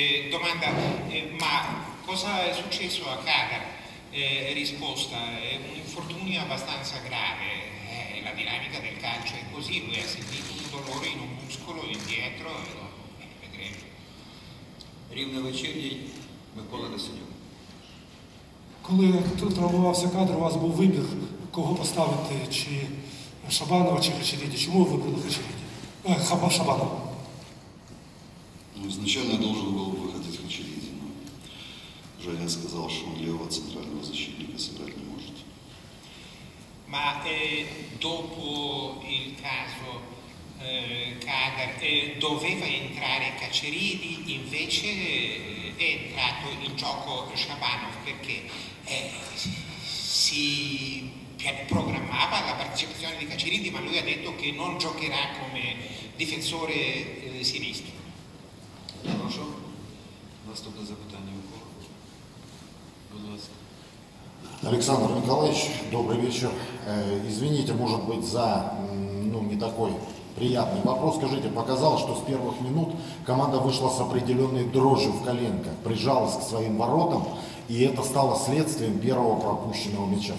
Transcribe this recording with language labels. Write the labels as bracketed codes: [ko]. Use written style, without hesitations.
[it] Domanda, ma cosa è successo a Kadar? Risposta, è un infortunio abbastanza grave. La dinamica del calcio è così, lui ha sentito un dolore in un muscolo indietro e lo vedremo. [uk] Рівне вечір'я, Микола Несенюк. Коли тут травмувався кадр, у вас був вибір, кого поставити, чи Шабанова, чи Хачеріді. Чому ви вибрали Хачеріді? Шабанова. [ru] Ну, изначально я должен был выходить Хачеріді, но Женя сказал, что он левого центрального защитника сыграть не может. [it] Ma dopo il caso Kadar doveva entrare Caceridi, invece è entrato in gioco Shabanov perché si programmava la partecipazione di Caceridi, ma lui ha detto che non giocherà come difensore sinistro. [uk] Прошу, наступне запитання у кого? Будь ласка. [ru] Александр Николаевич, добрый вечер. Извините, может быть, за не такой приятный вопрос. Скажите, показал, что с первых минут команда вышла с определенной дрожью в коленках, прижалась к своим воротам, и это стало следствием первого пропущенного мяча.